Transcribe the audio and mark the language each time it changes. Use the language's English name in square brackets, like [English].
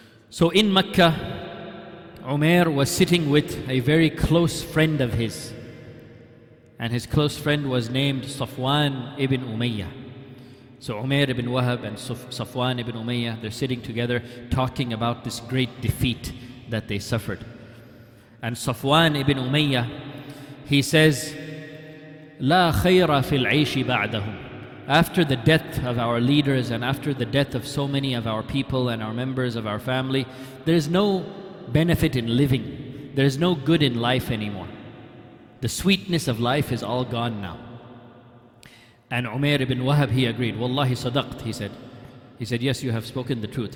[English] So in Mecca, Umair was sitting with a very close friend of his. And his close friend was named Safwan ibn Umayyah. So Umayr ibn Wahab and Safwan ibn Umayyah, they're sitting together talking about this great defeat that they suffered. And Safwan ibn Umayyah, he says, [Arabic] لا خير في العيش بعدهم. [English] After the death of our leaders and after the death of so many of our people and our members of our family, there is no benefit in living. There is no good in life anymore. The sweetness of life is all gone now. And Umayr ibn Wahab, he agreed. [Arabic] Wallahi sadaqt, [English] he said. He said, yes, you have spoken the truth.